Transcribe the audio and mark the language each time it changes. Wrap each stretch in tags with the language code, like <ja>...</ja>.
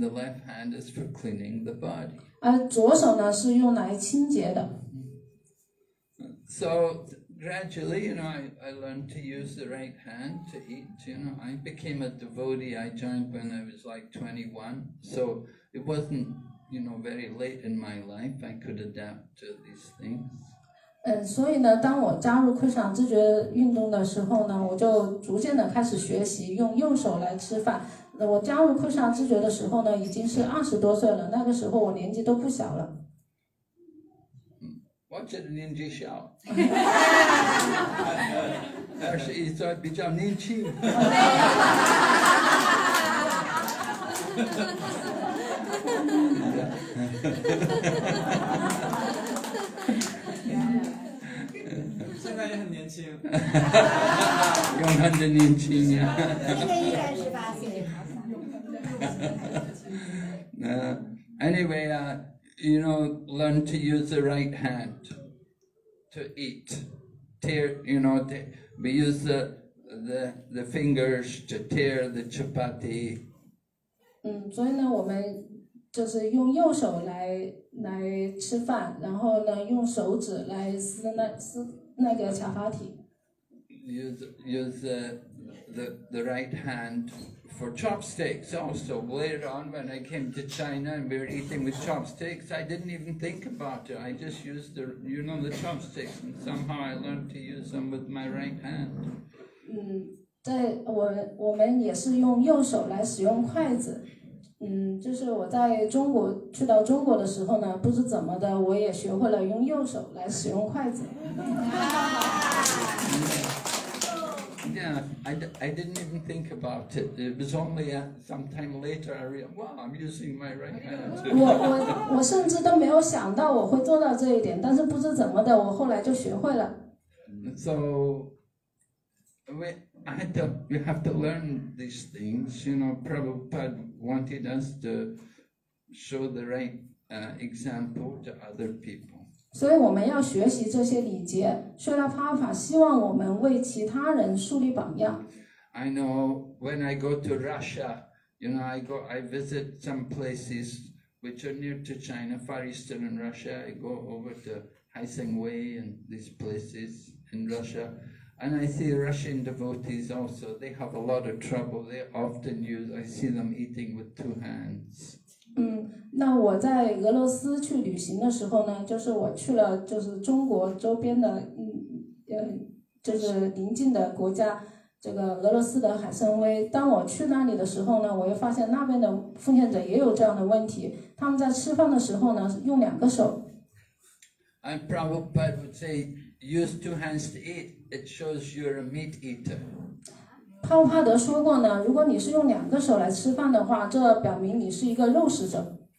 <en>the left hand is for cleaning the body.</en> <zh>而左手呢，是用来清洁的。</zh> <en>So gradually, you know, I learned to use the right hand to eat. You know, I became a devotee. I joined when I was like 21. So it wasn't, you know, very late in my life. I could adapt to these things.</en> <zh>所以呢，当我加入昆山自觉运动的时候呢，我就逐渐的开始学习用右手来吃饭。那我加入昆山自觉的时候呢，已经是20多岁了。那个时候我年纪都不小了。我觉得年纪小，21岁比较年轻。现在也很年轻，永远的年轻呀！今年 38岁。</zh> <en>Anyway, you know, learn to use the right hand. To eat, tear, you know, we use the fingers to tear the chapati.</en> <zh>所以呢，我们就是用右手来吃饭，然后呢，用手指来撕那个巧克力。</zh> <en>Use the right hand for chopsticks. Also, later on, when I came to China and we were eating with chopsticks, I didn't even think about it. I just used the, you know, the chopsticks, and somehow I learned to use them with my right hand.</en> <zh>在我们也是用右手来使用筷子。就是我在中国去到中国的时候呢，不知怎么的，我也学会了用右手来使用筷子。</zh> <en>Yeah, I didn't even think about it. It was only sometime later I realized, wow, I'm using my right hand.</en> <zh>我甚至都没有想到我会做到这一点，但是不知怎么的，我后来就学会了。</zh> <en>So, you have to learn these things. You know, Prabhupada wanted us to show the right example to other people.</en> <zh>所以我们要学习这些礼节，所以帕法希望我们为其他人树立榜样。</zh> <en>I know when I go to Russia, you know, I visit some places which are near to China, far eastern in Russia. I go over to Haisengwei and these places in Russia, and I see Russian devotees also. They have a lot of trouble. They often use. I see them eating with two hands.</en> <zh>那我在俄罗斯去旅行的时候呢，就是我去了就是中国周边的就是邻近的国家，这个俄罗斯的海参崴。当我去那里的时候呢，我又发现那边的奉献者也有这样的问题，他们在吃饭的时候呢，用两个手。</zh> <en>I probably would say use two hands to eat. It shows you're a meat eater.</en> <zh>帕帕德说过呢，如果你是用两个手来吃饭的话，这表明你是一个肉食者。</zh>